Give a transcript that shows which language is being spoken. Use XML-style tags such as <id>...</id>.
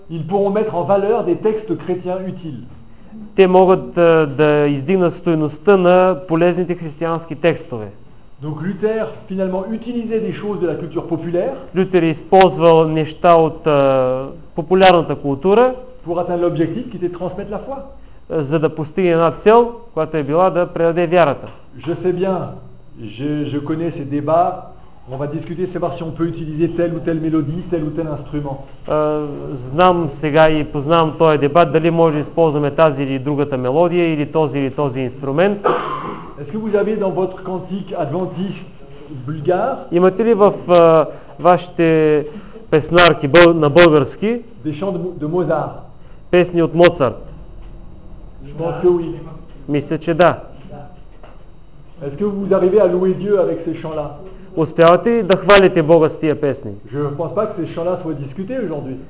<fr>Ils pourront mettre en valeur des textes chrétiens utiles.</fr> <bg>Те могат да издигнат стойността на полезните християнски текстове.</bg> <fr>Donc Luther finalement utilisait des choses de la culture populaire.</fr> <bg>Luther използвал неща от популярната култура.</bg> <fr>Pour atteindre l'objectif qui était transmettre la foi.</fr> <bg>За да постигне една цел, която е била да предаде вярата.</bg> <fr>Je sais bien, je connais ces débats. On va discuter savoir si on peut utiliser telle ou telle mélodie, tel ou tel instrument.</fr> <bg>Знам сега и познавам този дебат дали може да използваме тази или другата мелодия или този или този инструмент.</bg> <fr>Est-ce que vous avez dans votre cantique adventiste bulgare?</fr> <bg>Имате ли в вашите песнарки на български?</bg> <fr>Des chants de Mozart.</fr> <bg>Песни от Моцарт.</bg> <fr>Je pense que oui.</fr> <bg>Мисля, че да.</bg> <fr>Est-ce que vous arrivez à louer Dieu avec ces chants-là?</fr> <bg>Успявате ли да хвалите Бога с тия песни?</bg> <fr>Je pense pas que ces chants-là soient discutés aujourd'hui.</fr>